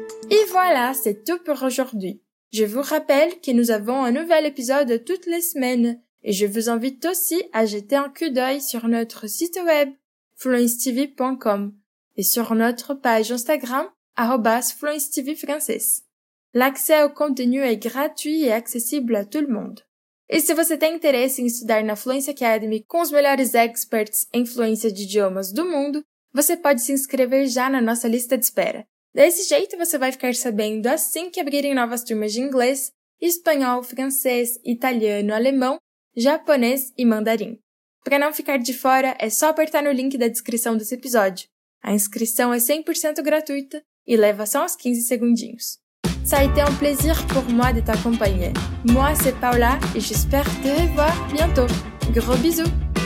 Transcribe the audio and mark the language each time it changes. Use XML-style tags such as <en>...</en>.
<fr>Et voilà, c'est tout pour aujourd'hui. Je vous rappelle que nous avons un nouvel épisode toutes les semaines et je vous invite aussi à jeter un coup d'œil sur notre site web fluencetv.com et sur notre page Instagram @fluencetvfrançais. L'accès au contenu est gratuit et accessible à tout le monde.</fr> <pt>E se você tem interesse em estudar na Fluency Academy com os melhores experts em fluência de idiomas do mundo, você pode se inscrever já na nossa lista de espera. Desse jeito, você vai ficar sabendo assim que abrirem novas turmas de inglês, espanhol, francês, italiano, alemão, japonês e mandarim. Para não ficar de fora, é só apertar no link da descrição desse episódio. A inscrição é 100% gratuita e leva só uns 15 segundinhos.</pt> <fr>Ça a été un plaisir pour moi de t'accompagner. Moi, c'est Paula et j'espère te revoir bientôt. Gros bisous!</fr>